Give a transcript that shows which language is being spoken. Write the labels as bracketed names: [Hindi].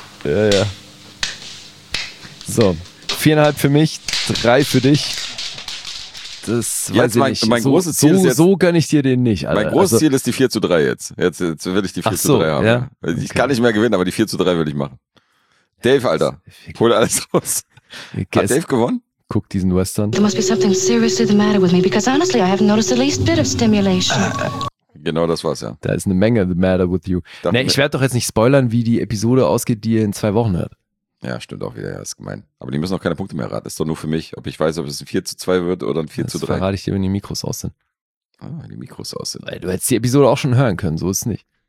[German] Ja, ja. So, 4,5 für mich, 3 für dich. Das jetzt weiß ich nicht. So, so, so gönne ich dir den nicht, Alter. Mein großes Ziel ist die 4-3 jetzt. Jetzt will ich die 4-3 haben. Ja? Okay. Ich kann nicht mehr gewinnen, aber die 4-3 will ich machen. Dave, Alter, hol alles raus. Hat Dave gewonnen? Guck diesen Western. [English] There must be something seriously the matter with me, because honestly, I haven't noticed the least bit of stimulation. [German] Genau das war's, ja. Da ist eine Menge [English] the matter with you. [German] Nee, ich werde doch jetzt nicht spoilern, wie die Episode ausgeht, die ihr in 2 Wochen hört. Ja, stimmt auch wieder, ja, ist gemein. Aber die müssen auch keine Punkte mehr raten. Das ist doch nur für mich, ob ich weiß, ob es ein 4-2 wird oder ein 4-3. Das verrate ich dir, wenn die Mikros aus sind. Ah, wenn die Mikros aus sind. Du hättest die Episode auch schon hören können, so ist es nicht.